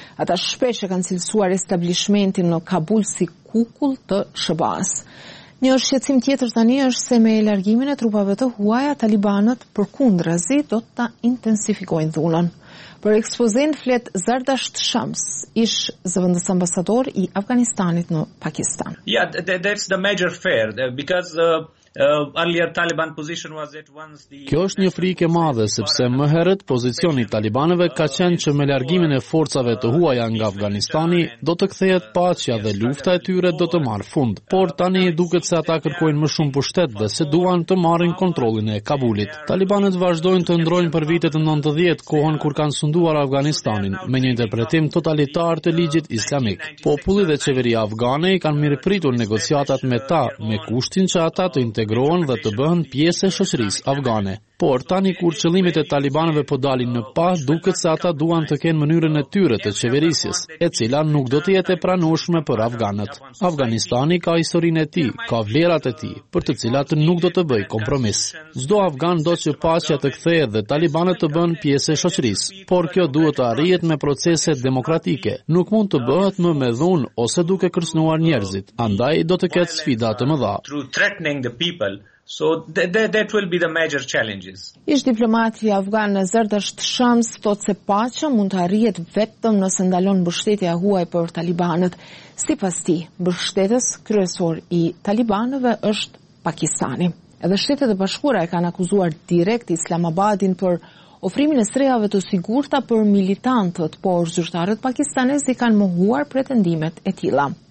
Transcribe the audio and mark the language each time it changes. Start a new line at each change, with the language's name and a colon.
Albanian: Ata shpesh e kanë cilësuar establishmentin në Kabul si kukull të SHBAZ. Një shqetësim tjetër tani është se me largimin e trupave të huaja, talibanët përkundrazi do ta intensifikojnë dhunën. Për ekspozen flet Zardasht Shams, ish zëvendës ambasador i Afganistanit në Pakistan.
English: Yeah, that's the major fear, because Earlier Taliban position was at once the
Albanian: Kjo është një frikë e madhe sepse më herët pozicioni i talibanëve ka qenë që me largimin e forcave të huaja nga Afganistani do të kthehet paqja dhe lufta e tyre do të marrë fund. Por tani duket se ata kërkojnë më shumë pushtet dhe se duan të marrin kontrollin e Kabulit. Talibanët vazhdojnë të ndrojnë për vitet 90, kohën kur kanë sunduar Afganistanin me një interpretim totalitar të ligjit islamik. Populli dhe qeveria afgane kanë mirëpritur negociatat me ta me kushtin që ata të integrohen dhe të bëhen pjesë e shoqërisë afgane. Por tani kur qëllimet e talibanëve po dalin në pa, duket se ata duan të kenë mënyrën e tyre të qeverisjes, e cila nuk do të jetë e pranueshme për afganët. Afganistani ka historinë e tij, ka vlerat e tij, për të cilat nuk do të bëj kompromis. Çdo afgan do që paqja të kthehet dhe talibanët të bëhen pjesë e shoqërisë, por kjo duhet të arrihet me procese demokratike. Nuk mund të bëhet më me dhunë ose duke kërcënuar njerëzit. Andaj do të ketë sfida të mëdha.
English: So that will be the major challenges.
Albanian: Ish diplomati afgan Zardasht Shams thot se paqja mund të arrihet vetëm nëse ndalon mbështetja huaj për talibanët. Sipas tij, mbështetës kryesor i talibanëve është Pakistani. Edhe Shtetet e Bashkuara e kanë akuzuar direkt Islamabadin për ofrimin e strehave të sigurta për militantët, por zyrtarët pakistanezë i kanë mohuar pretendimet e tilla.